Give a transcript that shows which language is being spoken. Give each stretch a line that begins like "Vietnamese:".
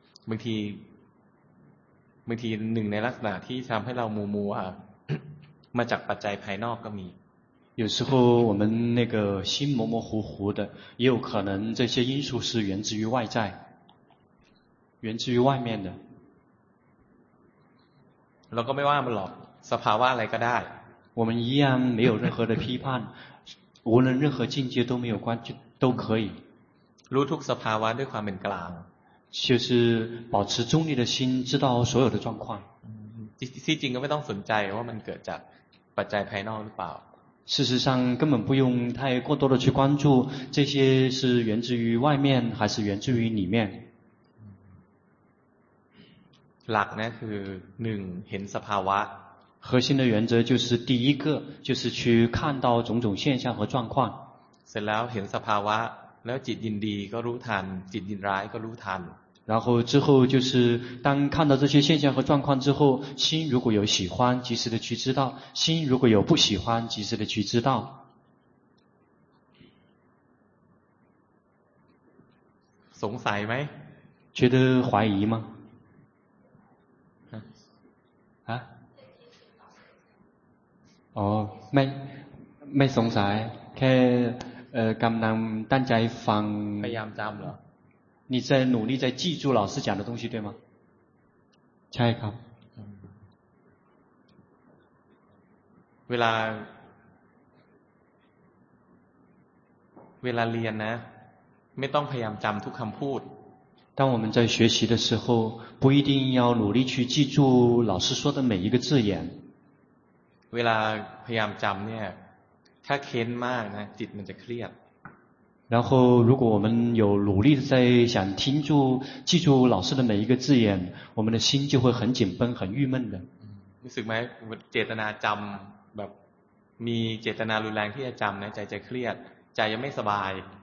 Thai: บางทีหนึ่งในลักษณะที่ทำให้เรามัวมาจากปัจจัยภายนอกก็มี
Chinese: 有时候我们那个心模模糊糊的，也有可能这些因素是源自于外在，源自于外面的。
Thai: เราก็ไม่ว่ามันหรอกสภาวะอะไรก็ได้
Chinese: 我们一样没有任何的批判无论任何境界都没有关系都可以
Thai: รู้ทุกสภาวะด้วยความเป็นกลาง
Chinese: 就是保持中立的心知道所有的状况
Thai: ที่จริงก็ไม่ต้องสนใจว่ามันเกิดจากปัจจัยภายนอกหรือเปล่า
Chinese: 事实上根本不用太过多的去关注这些是源自于外面还是源自于里面
Thai: หลักนะคือหนึ่งเห็นสภาวะ
Chinese: 核心的原则就是第一个就是去看到种种现象和状况
Thai: เสร็จแล้วเห็นสภาวะแล้วจิตยินดีก็รู้ทันจิตยินร้ายก็รู้ทัน
Chinese: 然后之后就是当看到这些现象和状况之后心如果有喜欢及时的去知道心如果有不喜欢及时的去知道
Thai: สงสัยไหม
Chinese: 觉得怀疑吗哦
Thai: ไม่สงสัยแค่กำลังตั้งใจฟัง พยายามจำเหรอ
Chinese: 你在努力在记住老师讲的东西对吗
Thai: ใช่ครับ เวลาเรียนนะไม่ต้องพยายามจำทุกคำพูด
Chinese: 当我们在学习的时候不一定要努力去记住老师说的每一个字眼
Thai: เวลาพยายามจำเนี่ยถ้าเค้นมากนะจิตมันจะเครียด
Chinese: 然后如果我们有努力的在想听住记住老师的每一个字眼我们的心就会很紧绷很郁闷的
Thai: รู้สึกไหมเจตนาจำแบบมีเจตนารุนแรงที่จะจำนะใจจะเครียดใจยังไม่สบาย